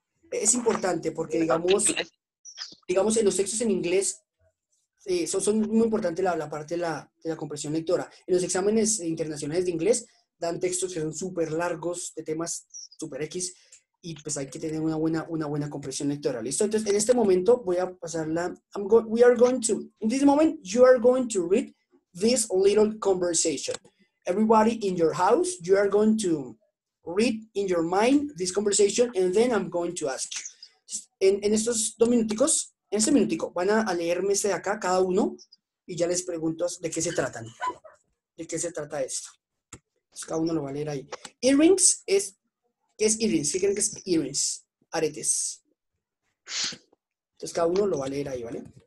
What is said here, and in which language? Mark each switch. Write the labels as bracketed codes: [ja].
[es] Es importante porque, digamos en los textos en inglés, son muy importantes la parte de la comprensión lectora. En los exámenes internacionales de inglés dan textos que son súper largos, de temas súper X, y pues hay que tener una buena comprensión lectora. ¿Listo? Entonces, en este momento voy a pasarla. [en] In this moment, you are going to read this little conversation. Everybody in your house, you are going to read in your mind this conversation, and then I'm going to ask you. [es] En estos dos minuticos, en este minutico, van a leerme este de acá, cada uno, y ya les pregunto de qué se tratan. ¿De qué se trata esto? Pues cada uno lo va a leer ahí. Earrings es... ¿Qué es earrings? ¿Qué creen que es earrings? Aretes. Entonces cada uno lo va a leer ahí, ¿vale?